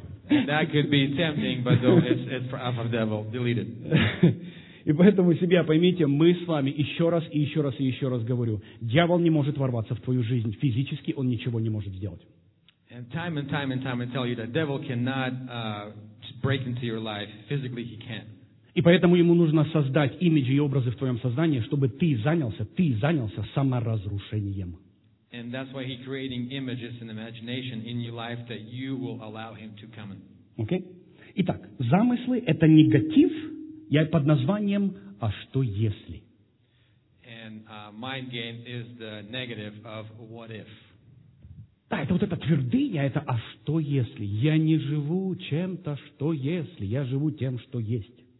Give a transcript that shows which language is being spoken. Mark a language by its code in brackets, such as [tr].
[en] That could be tempting, but though it's for off of devil, delete it. [ru] И поэтому себя поймите, мы с вами еще раз и еще раз и еще раз говорю, дьявол не может ворваться в твою жизнь физически, он ничего не может сделать. [en] And time and time and time I tell you that devil cannot break into your life physically, he can't. [ru] И поэтому ему нужно создать имиджи и образы в твоем сознании, чтобы ты занялся саморазрушением. [en] And that's why he's creating images and imagination in your life that you will allow him to come in. Okay? [ru] Итак, замыслы — это негатив, я под названием «А что если?». [en] And mind game is the negative of what if. [ru] Да, это вот эта твердыня, это «а что если?» Я не живу чем-то, что если, я живу тем, что есть.